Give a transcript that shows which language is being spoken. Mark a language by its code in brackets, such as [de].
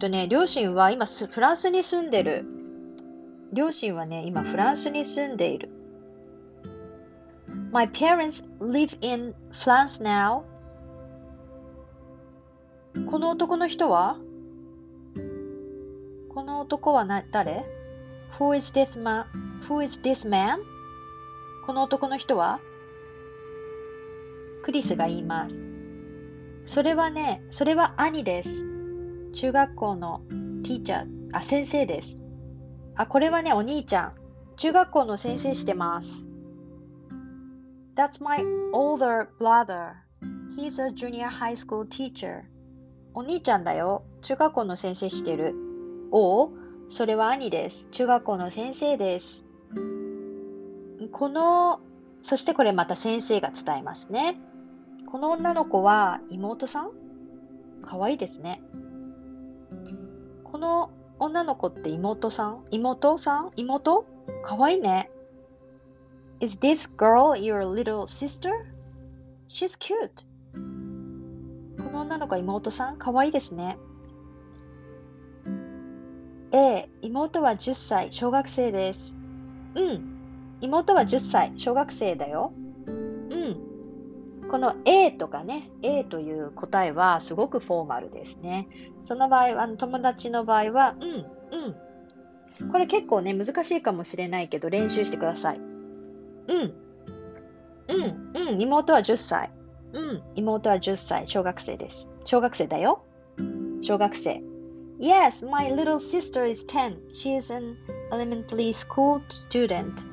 [ja] 両親は今フランスに住んでる。両親はね、今フランスに住んでいる。 [en] My parents live in France now. [ja] この男の人は？この男は誰？ [en] Who is this man? Who is this man? [ja] この男の人は？クリスが言います。それはね、それは兄です。中学校のティーチャー、先生です。これはね、お兄ちゃん。中学校の先生してます。 [en] That's my older brother. He's a junior high school teacher. [ja] お兄ちゃんだよ。中学校の先生してる。おお、それは兄です。中学校の先生です。この、そしてこれまた先生が伝えますね。この女の子は妹さん？かわいいですね。この女の子って妹さん？妹さん？妹？かわいいね。 [en] Is this girl your little sister? She's cute. [ja] この女の子妹さん、かわいいですね。ええ、妹は10歳、小学生です。うん、妹は10歳、小学生だよ。うん。この A とかね、A という答えはすごくフォーマルですね。その場合は、友達の場合は、うん、うん。これ結構ね、難しいかもしれないけど、練習してください。うん、うん、うん、妹は10歳。うん、妹は10歳、小学生です。小学生だよ。小学生。 [en] Yes, my little sister is 10. She is an elementary school student.